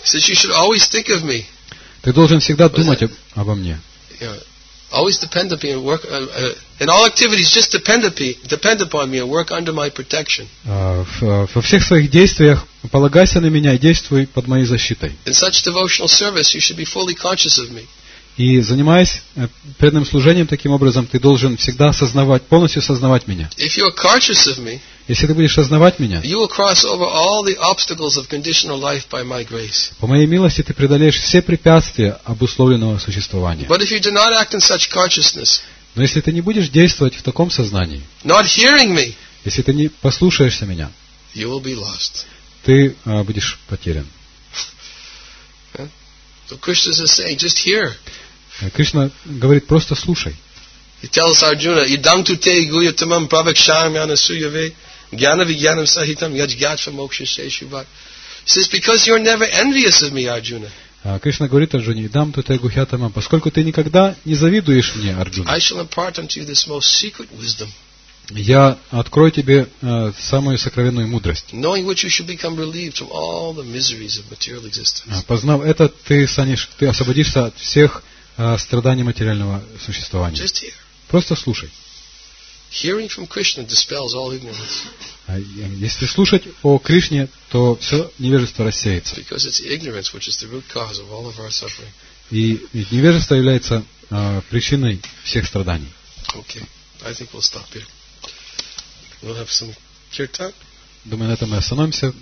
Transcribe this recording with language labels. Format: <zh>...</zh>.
<en>says, you should always think of me.</en> <ru>Ты должен всегда думать обо мне.</ru> <en>Always depend upon me and work. In all activities, just depend upon me and work under my protection.</en> <ru>Во всех своих действиях полагайся на меня и действуй под моей защитой.</ru> <en>In such devotional service, you should be fully conscious of me.</en> <ru>И занимаясь преданным служением таким образом, ты должен всегда осознавать, полностью осознавать меня.</ru> <en>If you are conscious of me,</en> <ru>если ты будешь осознавать меня,</ru> <en>you will cross over all the obstacles of conditional life by my grace.</en> <ru>По моей милости ты преодолеешь все препятствия обусловленного существования.</ru> <en>But if you do not act in such consciousness,</en> <ru>но если ты не будешь действовать в таком сознании,</ru> <en>not hearing me,</en> <ru>если ты не послушаешься меня,</ru> <en>you will be lost.</en> <ru>Ты будешь потерян.</ru> <en>So Krishna is saying, just hear.</en> <ru>Кришна говорит, просто слушай.</ru> <en>He tells Arjuna,</en> <sa>"Idam tu te guyatamam pravakshayam yanasuyave gyanavigyanam sahitam yajgyatva moksha sheshuvat."</sa> <en>He says, because you're never envious of me, Arjuna.</en> <ru>Кришна говорит Арджуне,</ru> <sa>"Idam tu te guyatamam,</sa> <ru>поскольку ты никогда не завидуешь мне, Арджуна."</ru> <en>I shall impart unto you this most secret wisdom.</en> <ru>Я открою тебе самую сокровенную мудрость.</ru> <en>Knowing which you should become relieved from all the miseries of material existence.</en> <ru>Познав это, ты освободишься от всех страданий материального существования.</ru> <en>Just hear.</en> <ru>Просто слушай.</ru> <en>Hearing from Krishna dispels all ignorance.</en> <ru>Если слушать о Кришне, то все невежество рассеется.</ru> <en>Because it's ignorance which is the root cause of all of our suffering.</en> <ru>И невежество является причиной всех страданий.</ru> <en>Okay, I think we'll stop here. We'll have some kirtan.</en> <ru>Думаю, на этом мы остановимся.</ru>